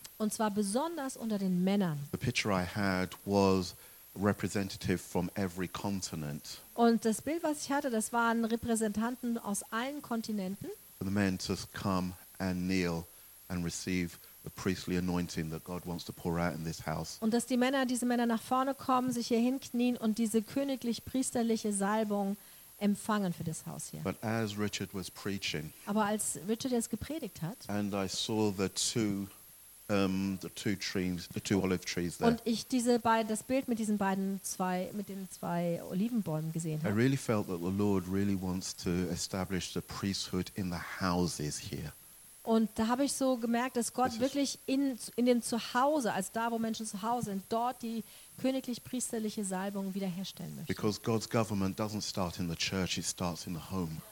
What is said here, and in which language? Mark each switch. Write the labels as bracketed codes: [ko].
[de] Und zwar besonders unter den Männern. [en] The picture I had was representative from every continent. [de] Und das Bild, was ich hatte, das waren Repräsentanten aus allen Kontinenten. [en] For the men to come and kneel and receive the priestly anointing that God wants to pour out in this house. [de] Und dass diese Männer nach vorne kommen, sich hier hinknien und diese königlich-priesterliche Salbung empfangen für das Haus hier. [en] But as Richard was preaching, [de] aber als Richard jetzt gepredigt hat, [en] and I saw the two olive trees there. [de] Und ich das Bild mit den zwei Olivenbäumen gesehen habe. [en] I really felt that the Lord really wants to establish the priesthood in the houses here. [de] Und da habe ich so gemerkt, dass Gott wirklich in dem Zuhause, als da, wo Menschen zu Hause sind, dort die königlich-priesterliche Salbung wiederherstellen möchte. [en] Because God's government doesn't start in the church, it starts in the home.